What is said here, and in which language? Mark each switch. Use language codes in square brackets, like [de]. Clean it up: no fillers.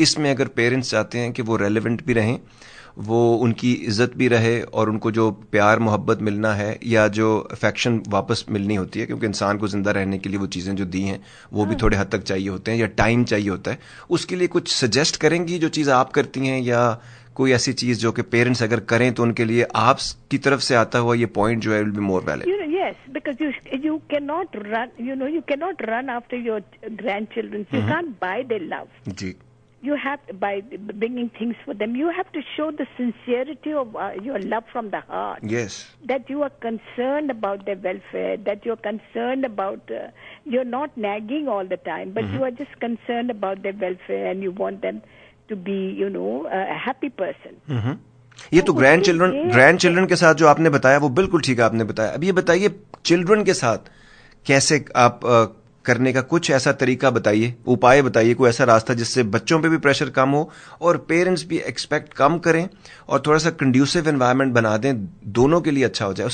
[hi] इसमें अगर पेरेंट्स चाहते हैं कि वो रेलिवेंट भी रहें, वो उनकी इज्जत भी रहे, और उनको जो प्यार मोहब्बत मिलना है या जो अफेक्शन वापस मिलनी होती है, क्योंकि इंसान को जिंदा रहने के लिए वो चीजें जो दी हैं वो भी थोड़े हद तक चाहिए होते हैं या टाइम चाहिए होता है, उसके लिए कुछ सजेस्ट करेंगी जो चीज आप करती हैं, या कोई ऐसी चीज जो कि पेरेंट्स अगर करें तो उनके लिए आपकी तरफ से आता हुआ ये पॉइंट जो है [en] Will be more valid. Yes because you can not run, you know you can not run after your grand children, you can't buy their love. [hi] Ji [en] you have to, by bringing things for them you have to show the sincerity of your love from the heart. Yes, that you are concerned about their welfare, that you are concerned about you're not nagging all the time, but you are just concerned about their welfare and you want them to be you know a happy person. [hi] ये तो grandchildren के साथ जो आपने बताया वो बिल्कुल ठीक है आपने बताया. अब ये बताइए children के साथ कैसे आप करने का कुछ ऐसा तरीका बताइए, उपाय बताइए, कोई ऐसा रास्ता जिससे बच्चों पे भी प्रेशर कम हो और पेरेंट्स भी एक्सपेक्ट कम करें और थोड़ा सा कंड्यूसिव एनवायरनमेंट बना दें, दोनों के लिए अच्छा हो जाए.